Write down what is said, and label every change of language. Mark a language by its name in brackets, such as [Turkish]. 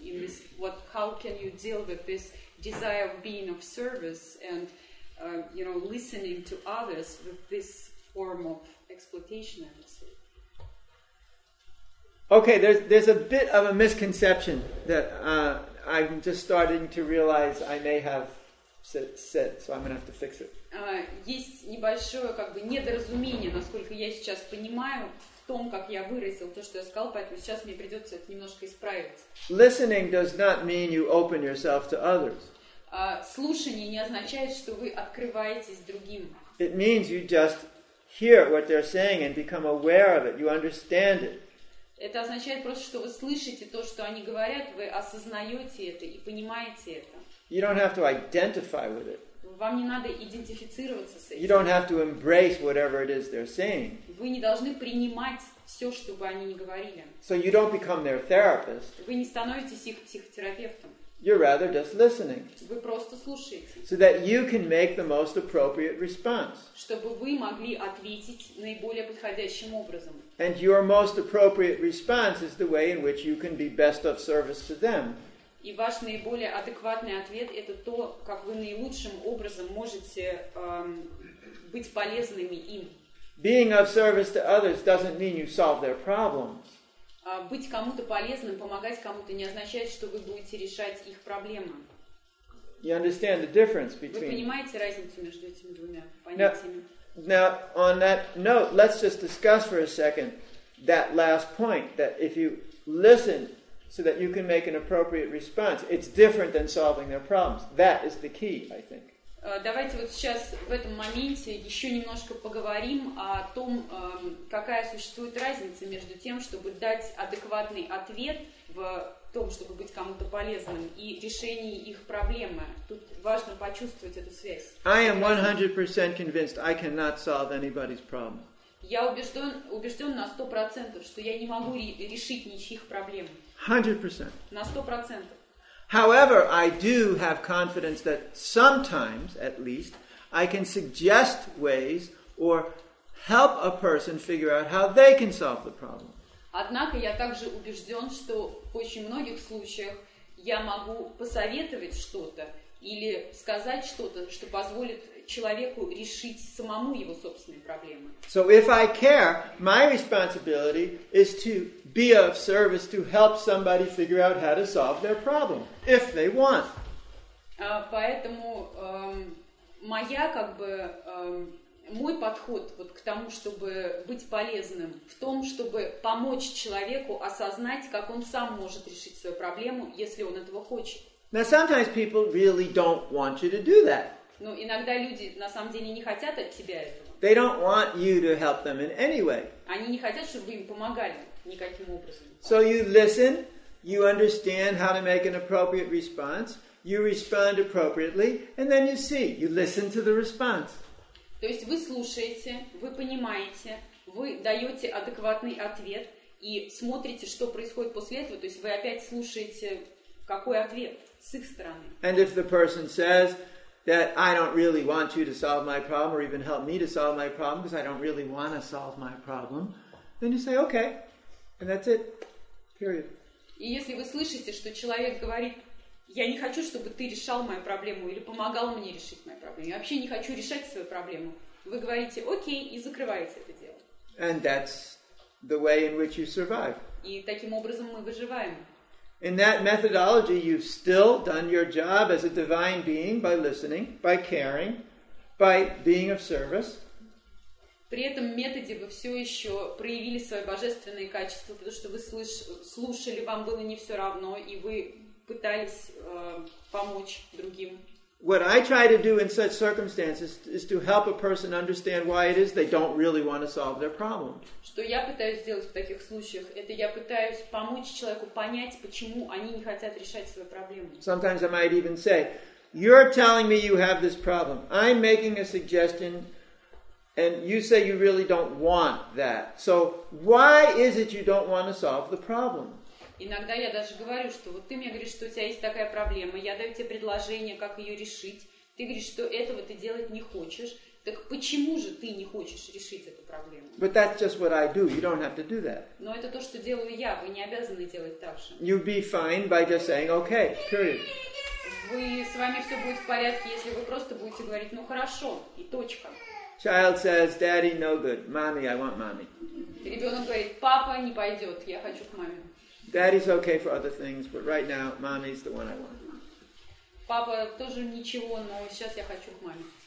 [English] In this, what, how can you deal with this desire of being of service and, you know, listening to others with this form of exploitation? Okay, there's a bit of a misconception that I'm just starting to realize I may have. Said, so I'm gonna have to fix it. [Russian] Есть небольшое как бы недоразумение, насколько я сейчас понимаю, в том, как я выразил то, что я сказал, поэтому сейчас мне придется это немножко исправить. [English] Listening does not mean you open yourself to others. [Russian] Слушание не означает, что вы открываетесь другим. [English] It means you just hear what they're saying and become aware of it. You understand it. [Russian] Это означает просто, что вы слышите то, что они говорят, вы осознаете это и понимаете это. [English] You don't have to identify with it. [Russian] Вам не надо идентифицироваться с этим. [English] You don't have to embrace whatever it is they're saying. [Russian] Вы не должны принимать все, что бы они ни говорили. [English] So you don't become their therapist. [Russian] Вы не становитесь их психотерапевтом. [English] You're rather just listening. [Russian] Вы просто слушаете. [English] So that you can make the most appropriate response. [Russian] Чтобы вы могли ответить наиболее подходящим образом. [English] And your most appropriate response is the way in which you can be best of service to them. [Russian] И ваш наиболее адекватный ответ – это то, как вы наилучшим образом можете быть полезными им. [English] Being of service to others doesn't mean you solve their problems. [Russian] Быть кому-то полезным, помогать кому-то не означает, что вы будете решать их проблемы. [English] You understand the difference between. [Russian] Вы понимаете разницу между этими двумя понятиями? [English] Now, on that note, let's just discuss for a second that last point, that if you listen so that you can make an appropriate response, it's different than solving their problems. That is the key, I think. [Russian] Давайте вот сейчас в этом моменте еще немножко поговорим о том, какая существует разница между тем, чтобы дать адекватный ответ в том, чтобы быть кому-то полезным, и решении их проблемы. Тут важно почувствовать эту связь. [English] I am 100% convinced I cannot solve anybody's problem. [Russian] Я убежден на 100%, что я не могу решить ничьих проблем. [English] 100%. [Russian] На 100%. [English] However, I do have confidence that sometimes, at least, I can suggest ways or help a person figure out how they can solve the problem. [Russian] Однако я также убежден, что в очень многих случаях я могу посоветовать что-то или сказать что-то, что позволит человеку решить самому его собственные проблемы. [English] So if I care, my responsibility is to be of service to help somebody figure out how to solve their problem, if they want. [Russian] Поэтому моя как бы мой подход вот к тому, чтобы быть полезным, в том, чтобы помочь человеку осознать, как он сам может решить свою проблему, если он этого хочет. [English] Now sometimes people really don't want you to do that. [Russian] Но иногда люди на самом деле не хотят от тебя этого. [English] They don't want you to help them in any way. [Russian] Они не хотят, чтобы вы им помогали никаким образом. [English] So you listen, you understand how to make an appropriate response, you respond appropriately, and then you see, you listen to the response. [Russian] То есть вы слушаете, вы понимаете, вы даете адекватный ответ и смотрите, что происходит после этого. То есть вы опять слушаете, какой ответ с их стороны. [English] And if the person says that I don't really want you to solve my problem or even help me to solve my problem because I don't really want to solve my problem, then you say, okay, and that's it, period. [Russian] И если вы слышите, что человек говорит, я не хочу, чтобы ты решал мою проблему или помогал мне решить мою проблему, я вообще не хочу решать свою проблему, вы говорите, окей, и закрываете это дело. [English] And that's the way in which you survive. [Russian] И таким образом мы выживаем. [English] In that methodology, you've still done your job as a divine being by listening, by caring, by being of service. [Russian] При этом методе вы все еще проявили свои божественные качества, потому что вы слушали, вам было не все равно, и вы пытались помочь другим. [English] What I try to do in such circumstances is to help a person understand why it is they don't really want to solve their problem. [Russian] Что я пытаюсь сделать в таких случаях, это я пытаюсь помочь человеку понять, почему они не хотят решать свою проблему. [English] Sometimes I might even say, you're telling me you have this problem. I'm making a suggestion, and you say you really don't want that. So why is it you don't want to solve the problem? [Russian] Иногда я даже говорю, что вот ты мне говоришь, что у тебя есть такая проблема, я даю тебе предложение, как ее решить, ты говоришь, что этого ты делать не хочешь, так почему же ты не хочешь решить эту проблему? [English] But that's just what I do, you don't have to do that. [Russian] Но это то, что делаю я, вы не обязаны делать так же. [English] You'll be fine by just saying, okay, period. [Russian] Вы, с вами все будет в порядке, если вы просто будете говорить, ну хорошо, и точка. [English] Child says, daddy, no good, mommy, I want mommy. [Russian] Ребенок говорит, папа не пойдет, я хочу к маме. [English] Daddy's okay for other things, but right now, mommy's the one I want. [Russian] Папа тоже ничего, но сейчас я хочу к маме.